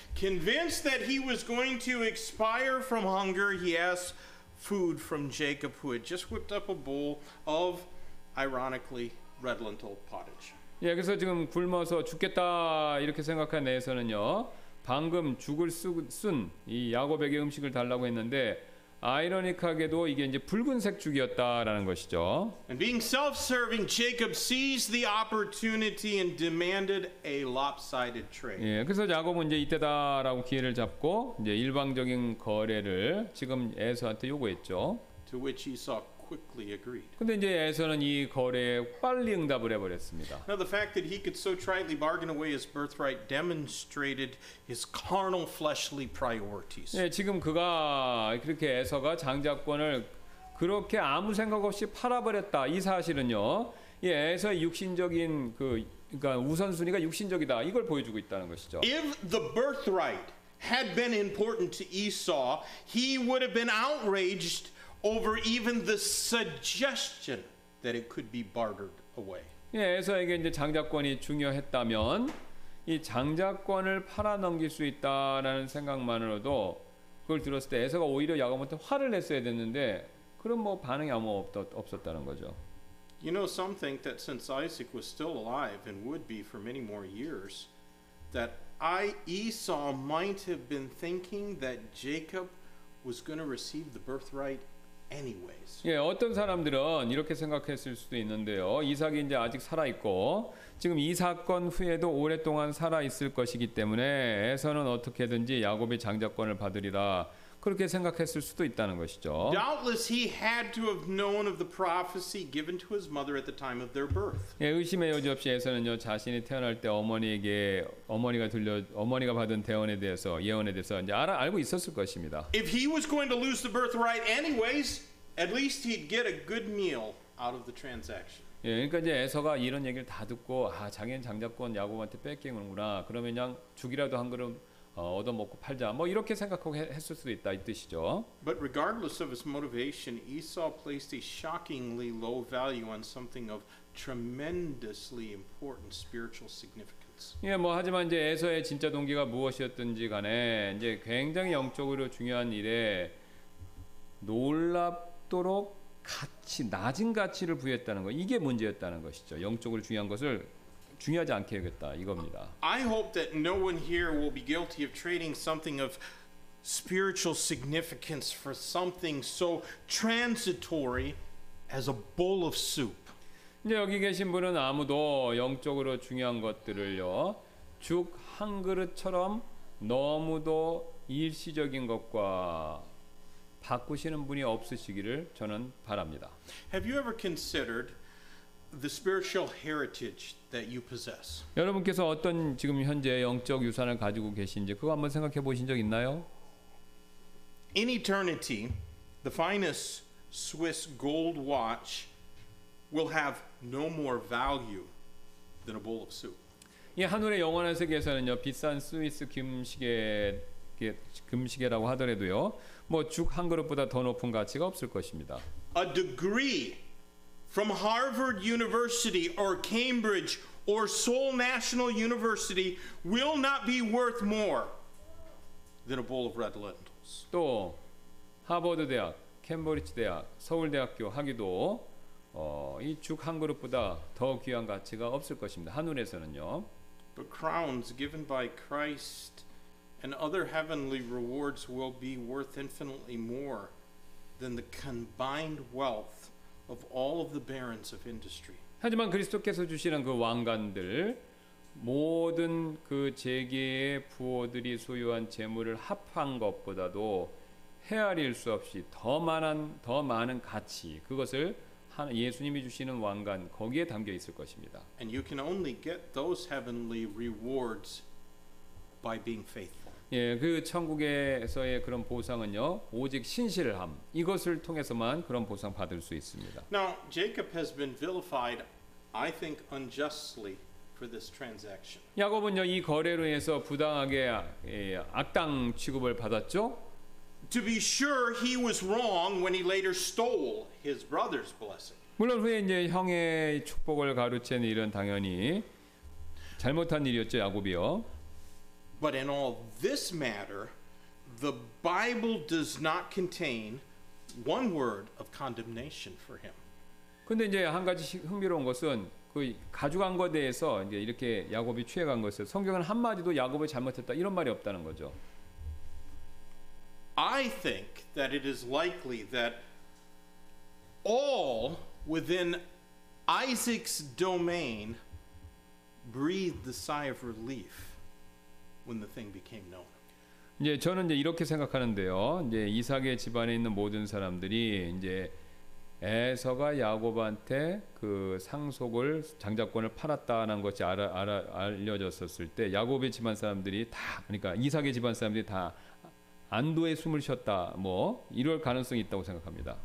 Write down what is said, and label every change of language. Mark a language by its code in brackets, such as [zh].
[en] Convinced that he was going to expire from hunger, he asked food from Jacob, who had just whipped up a bowl of, ironically, red lentil pottage. [ko] 예, 그래서 지금 굶어서 죽겠다 이렇게 생각한 에서는요, 방금 죽을 쓴 이 야곱에게 음식을 달라고 했는데. 아이러니하게도 이게 이제 붉은색 죽이었다라는 것이죠. [en] And being self-serving, Jacob seized the opportunity and demanded a lopsided trade. [ko] 예, 그래서 야곱은 이제 이때다라고 기회를 잡고 이제 일방적인 거래를 지금 에서한테 요구했죠. [en] To which Esau quickly agreed. [ko] 근데 이제 에서는 이 거래에 빨리 응답을 해 버렸습니다. [en] Now the fact that he could so tritely bargain away his birthright demonstrated his carnal fleshly priorities. [ko] 예, 지금 그가 그렇게 에서가 장자권을 그렇게 아무 생각 없이 팔아 버렸다. 이 사실은요. 예, 에서의 육신적인 그러니까 우선순위가 육신적이다. 이걸 보여주고 있다는 것이죠. [en] If the birthright had been important to Esau, he would have been outraged over even the suggestion that it could be bartered away. [ko] 예, 에서에게 이제 장자권이 중요했다면 이 장자권을 팔아 넘길 수 있다라는 생각만으로도 그걸 들었을 때 에서가 오히려 야곱한테 화를 냈어야 됐는데 그런 뭐 반응이 아무 없었다는 거죠. [en] You know, some think that since Isaac was still alive and would be for many more years, that Esau might have been thinking that Jacob was going to receive the birthright. Anyways. [ko] 예, 어떤 사람들은 이렇게 생각했을 수도 있는데요. 이삭이 이제 아직 살아 있고 지금 이 사건 후에도 오랫동안 살아 있을 것이기 때문에 에서는 어떻게든지 야곱이 장자권을 받으리라 그렇게 생각했을 수도 있다는 것이죠. [en] Doubtless he had to have known of the prophecy given to his mother at the time of their birth. [ko] 예, 의심의 여지 없이 에서는요 자신이 태어날 때 어머니에게 어머니가 받은 대언에 대해서 예언에 대해서 이제 알고 있었을 것입니다. [en] If he was going to lose the birthright anyways, at least he'd get a good meal out of the transaction. [ko] 예, 그러니까 이제 에서가 이런 얘기를 다 듣고 아 자기는 장자권 야곱한테 뺏기는구나. 그러면 그냥 죽이라도 한 그릇 얻어 먹고 팔자. 뭐 이렇게 생각하고 했을 수도 있다 이 뜻이죠. [en] But regardless of his motivation, Esau placed a shockingly low value on something of tremendously important spiritual significance. [ko] 예, 뭐 하지만 이제 에서의 진짜 동기가 무엇이었든지 간에 이제 굉장히 영적으로 중요한 일에 놀랍도록 가치 낮은 가치를 부여했다는 거. 이게 문제였다는 것이죠. 영적으로 중요한 것을 중요하지 않게 여겼다 이겁니다. [en] I hope that no one here will be guilty of trading something of spiritual significance for something so transitory as a bowl of soup. [ko] 이제 여기 계신 분은 아무도 영적으로 중요한 것들을요 죽 한 그릇처럼 너무도 일시적인 것과 바꾸시는 분이 없으시기를 저는 바랍니다. [en] Have you ever considered the spiritual heritage that you possess? [ko] 여러분께서 어떤 지금 현재 영적 유산을 가지고 계신지 그거 한번 생각해 보신 적 있나요? [en] In eternity, the finest Swiss gold watch will have no more value than a bowl of soup. [ko] 예, 하늘의 영원한 세계에서는요, 비싼 스위스 금시계 금식이라고 하더라도요, 뭐 죽 한 그릇보다 더 높은 가치가 없을 것입니다. [en] A degree from Harvard University or Cambridge or Seoul National University will not be worth more than a bowl of red lentils. [ko] 또 하버드 대학, 캠브리지 대학, 서울대학교 학위도 이 죽 한 그릇보다 더 귀한 가치가 없을 것입니다. 하늘에서는요. [en] But crowns given by Christ and other heavenly rewards will be worth infinitely more than the combined wealth of all of the barons of industry. [ko] 하지만 그리스도께서 주시는 그 왕관들 모든 그 재계의 부호들이 소유한 재물을 합한 것보다도 헤아릴 수 없이 더 많은 가치 그것을 예수님이 주시는 왕관 거기에 담겨 있을 것입니다. [en] And you can only get those heavenly rewards by being faithful. [ko] 예, 그 천국에서의 그런 보상은요. 오직 신실함 이것을 통해서만 그런 보상 받을 수 있습니다. [en] Now, Jacob has been vilified I think unjustly for this transaction. [ko] 야곱은요, 이 거래로 해서 부당하게 악당 취급을 받았죠. [en] To be sure, he was wrong when he later stole his brother's blessing. [ko] 물론 후에 이제 형의 축복을 가로챈 일은 당연히 잘못한 일이었죠, 야곱이요. [en] But in all this matter, the Bible does not contain one word of condemnation for him. [ko] 근데 이제 한 가지 흥미로운 것은 그 가져간 것에 대해서 이제 이렇게 야곱이 취해간 것을 성경은 한 마디도 야곱이 잘못했다 이런 말이 없다는 거죠. [en] I think that it is likely that all within Isaac's domain breathed the sigh of relief when the thing became known. [ko] 이제 저는 이제 이렇게 생각하는데요. 이제 이삭의 집안에 있는 모든 사람들이 이제 에서가 야곱한테 그 상속을 장자권을 팔았다는 것이 알려졌었을 때 야곱의 집안 사람들이 다 그러니까 이삭의 집안 사람들이 다 안도의 숨을 쉬었다 뭐 이럴 가능성이 있다고 생각합니다.